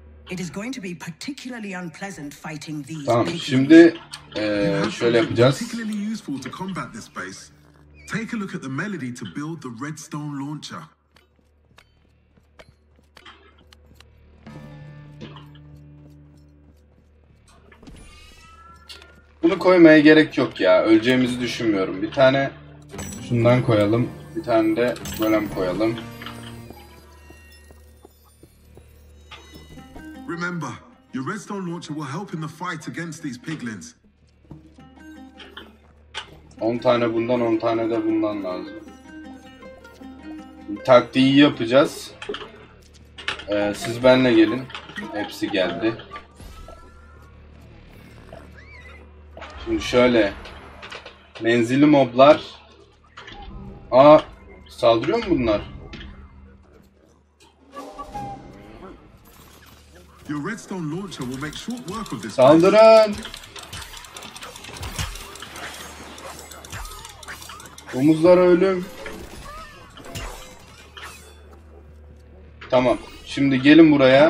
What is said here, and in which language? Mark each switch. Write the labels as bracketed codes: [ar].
[en] It is going to be particularly unpleasant fighting these [tr] Tamam, şimdi şöyle yapacağız. [en] particularly useful to combat this base. Take a look at the melody to build the redstone launcher. [tr] Bunu koymaya gerek yok ya. Öleceğimizi düşünmüyorum. Bir tane şundan koyalım. Bir tane de böyle mi koyalım? [en] Remember, your redstone launcher will help in the fight against these piglins. [tr] 10 tane bundan, 10 tane de bundan lazım. Taktiği yapacağız. Siz benle gelin. Hepsi geldi. Şimdi şöyle. Menzilli moblar. Aa, saldırıyor mu bunlar? [en] Your redstone launcher will make short work of this place. [tr] Saldırın. Domuzlara ölüm. Tamam. Şimdi gelin buraya.